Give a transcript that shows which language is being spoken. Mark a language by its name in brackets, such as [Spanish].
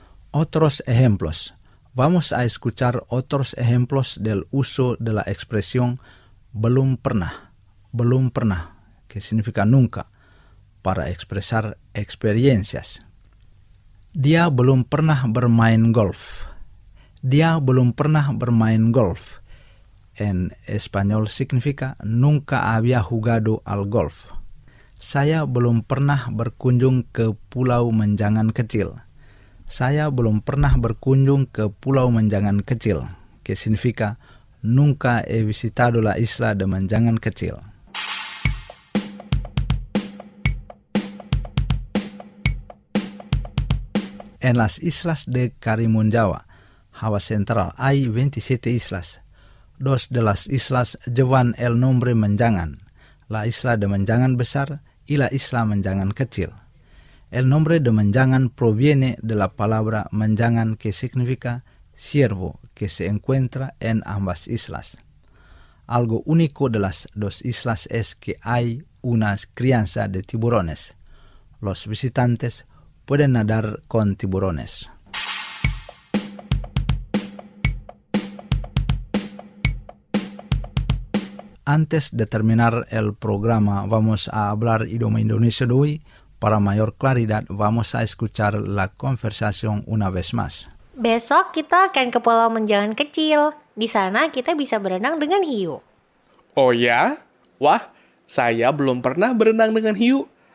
[Spanish] Otros ejemplos. Vamos a escuchar otros ejemplos del uso de la expresión belum pernah, belum pernah, que significa nunca, para expresar experiencias. [Indonesian] Dia belum pernah bermain golf. Dia belum pernah bermain golf. [Spanish] En español significa nunca había jugado al golf. [Indonesian] Saya belum pernah berkunjung ke Pulau Menjangan Kecil. Saya belum pernah berkunjung ke Pulau Menjangan Kecil. [Spanish] Que significa nunca he visitado la isla de Menjangan Kecil. En las islas de Karimun Jawa, Java Central, hay 27 islas. Dos de las islas llevan el nombre Menjangan, la isla de Menjangan Besar y la isla Menjangan Kecil. El nombre de manjangan proviene de la palabra manjangan que significa ciervo, que se encuentra en ambas islas. Algo único de las dos islas es que hay una crianza de tiburones. Los visitantes pueden nadar con tiburones. Antes de terminar el programa, vamos a hablar idioma indonesio de hoy. Para mayor claridad, vamos a escuchar la conversación una vez más. [Indonesian] Besok kita akan ke Pulau Menjangan Kecil. Di sana kita bisa berenang dengan hiu. Oh ya? Wah, saya belum pernah berenang dengan hiu.